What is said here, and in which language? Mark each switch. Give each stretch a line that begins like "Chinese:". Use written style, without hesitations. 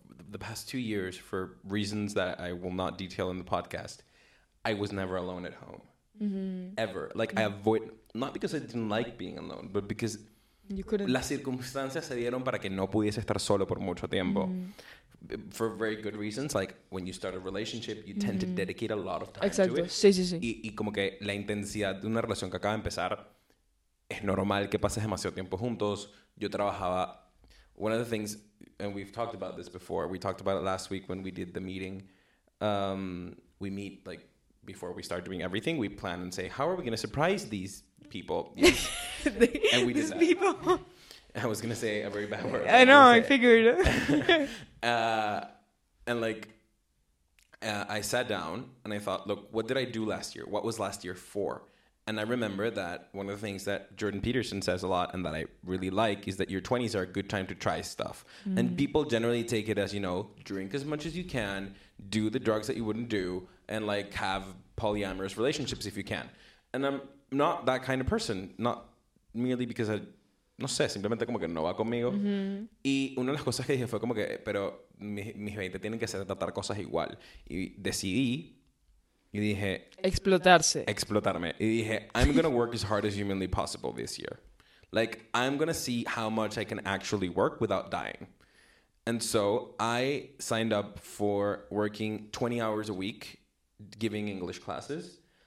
English: The past 2 years, for reasons that I will not detail in the podcast, I was never alone at home. Mm-hmm. Ever. Like, mm-hmm. I avoid, not because I didn't like being alone, but because you couldn't.
Spanish: Las circunstancias se dieron para que no pudiese estar solo por mucho tiempo. Mm-hmm.
English: For very good reasons, like when you start a relationship, you tend mm-hmm. to dedicate a lot of time
Spanish: exacto.
English: to it.
Spanish: Sí, sí, sí. Y como que la intensidad de una relación que acaba de empezar, es normal que pases demasiado tiempo juntos. Yo trabajaba.
English: One of the things, and we've talked about this before, we talked about it last week when we did the meeting. We meet, like, before we start doing everything, we plan and say, how are we going to surprise these people? Yes. And we did that. People. I was going to say a very bad word. I know, I figured. I sat down and I thought, look, what did I do last year? What was last year for? And I remember that one of the things that Jordan Peterson says a lot and that I really like is that your 20s are a good time to try stuff. Mm. And people generally take it as, you know, drink as much as you can, do the drugs that you wouldn't do, and like have polyamorous relationships if you can. And I'm not that kind of person, not merely because I,
Spanish: no sé, simplemente como que no va conmigo. Mm-hmm. Y una de las cosas que dije fue como que, pero mis 20 tienen que ser tratar cosas igual. Y decidí, y dije... Explotarse. Explotarme. Y dije,
English: I'm going to work as hard as humanly possible this year. Like, I'm going to see how much I can actually work without dying. And so I signed up for working 20 hours a week, giving English classes.